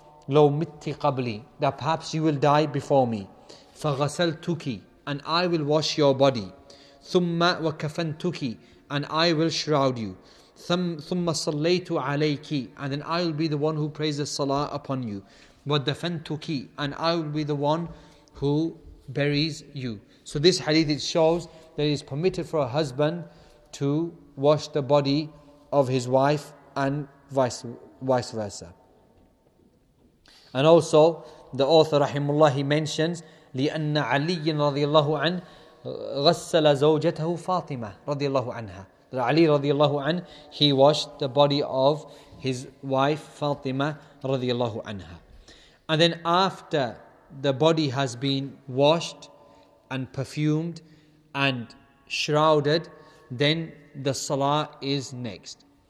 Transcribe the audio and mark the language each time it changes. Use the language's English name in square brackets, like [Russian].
[Arabic] لو مت قبلي, [English] that perhaps you will die before me, [Arabic] فغسلتك, [English] and I will wash your body, [Arabic] ثم وكفنتك, [English] and I will shroud you, [Arabic] ثم صليت عليك, [English] and then I will be the one who prays the salah upon you, [Arabic] ودفنتك, [English] and I will be the one who buries you. So this hadith, it shows that it is permitted for a husband to wash the body of his wife and vice versa. And also the author rahimullah, he mentions [Arabic] لِأَنَّ عَلِيٍّ رَضِيَ اللَّهُ عَنْهُ غَسَّلَ زَوْجَتَهُ فَاطِمَةً رَضِيَ اللَّهُ عَنْهَا. [English] Ali [Arabic] رَضِيَ اللَّهُ عَنْهُ, [English] he washed the body of his wife Fatima [Arabic] رَضِيَ اللَّهُ عَنْهَا. [English] And then after the body has been washed and perfumed and shrouded, then the salah is next.